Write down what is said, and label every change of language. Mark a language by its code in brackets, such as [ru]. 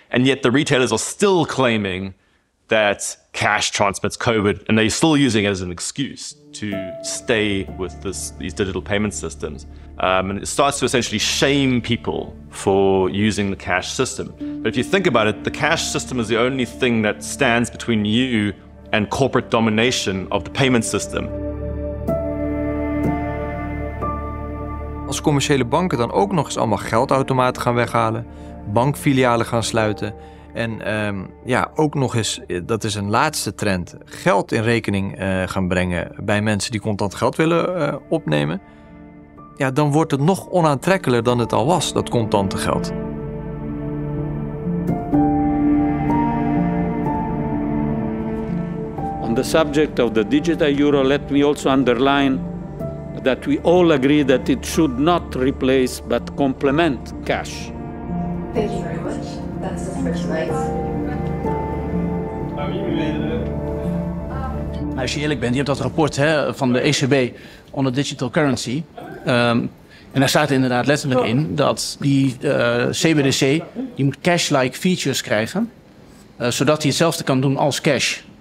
[en] And yet the retailers are still claiming that cash transmits COVID, and they're still using it as an excuse to stay with these digital payment systems. And it starts to essentially shame people for using the cash system. But if you think about it, the cash system is the only thing that stands between you and corporate domination of the payment system. [nl] Als commerciële banken dan ook nog eens allemaal geldautomaten gaan weghalen, bankfilialen gaan sluiten en ook nog eens, dat is een laatste trend, geld in rekening gaan brengen bij mensen die contant geld willen opnemen, ja, dan wordt het nog onaantrekkelijker dan het al was, dat contante geld. [en] On the subject of the digital euro, let me also underline that we all agree that it should not replace but complement cash. Thank you very much. That's the first [nl] slide. Als je eerlijk bent, je hebt dat rapport hè, van de ECB [en] on the digital currency. [nl] En daar staat inderdaad letterlijk in dat die CBDC die moet [en] cash-like features [nl] krijgen, zodat hij hetzelfde kan doen als cash.